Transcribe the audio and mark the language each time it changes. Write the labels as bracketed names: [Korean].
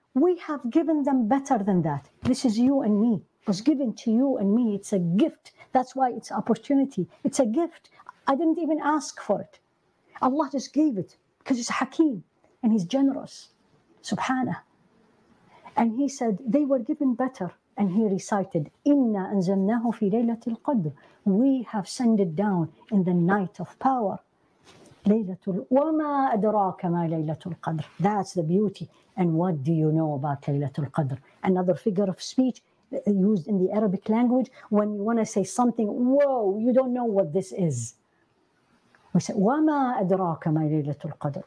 [English] We have given them better than that. This is you and me. It was given to you and me. It's a gift. That's why it's opportunity. It's a gift. I didn't even ask for it. Allah just gave it because he's Hakim and he's generous. Subhanah. And he said, they were given better. And he recited, [Arabic] إِنَّا أَنزَلْنَاهُ فِي لَيْلَةِ الْقَدْرِ. [English] We have sent it down in the night of power. [Arabic] لَيْلَةُ وَمَا أَدْرَاكَ مَا لَيْلَةُ الْقَدْرِ. [English] That's the beauty. And what do you know about لَيْلَةُ الْقَدْرِ? Another figure of speech used in the Arabic language when you want to say something, whoa, you don't know what this is. We say, [Arabic] وَمَا أَدْرَاكَ مَا لَيْلَةُ الْقَدْرِ.